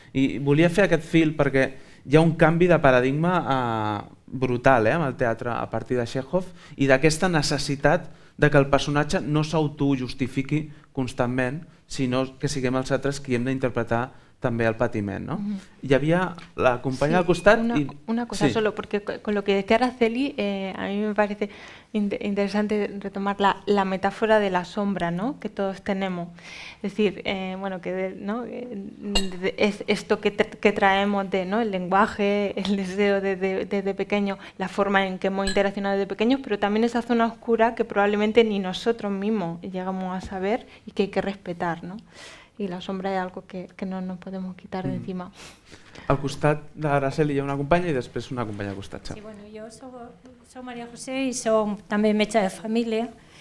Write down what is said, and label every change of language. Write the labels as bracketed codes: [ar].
[ca] I volia fer aquest fil perquè hi ha un canvi de paradigma brutal amb el teatre a partir de Chekhov i d'aquesta necessitat que el personatge no s'autojustifiqui constantment, sinó que siguem els altres qui hem d'interpretar també el patiment, no? Hi havia la companya al costat... [es] Una cosa solo, porque con lo que decía Araceli, a mí me parece interesante retomar la metáfora de la sombra, ¿no?, que todos tenemos. Es decir, bueno, que, ¿no?, es esto que traemos de, ¿no?, el lenguaje, el deseo desde pequeño, la forma en que hemos interaccionado desde pequeños, pero también esa zona oscura que probablemente ni nosotros mismos llegamos a saber y que hay que respetar, ¿no? I la sombra és algo que no nos podemos quitar de encima. [ca] Al costat d'Araceli hi ha una companya i després una companya al costat. Sí, bueno, jo soc Maria José i soc també metge de família.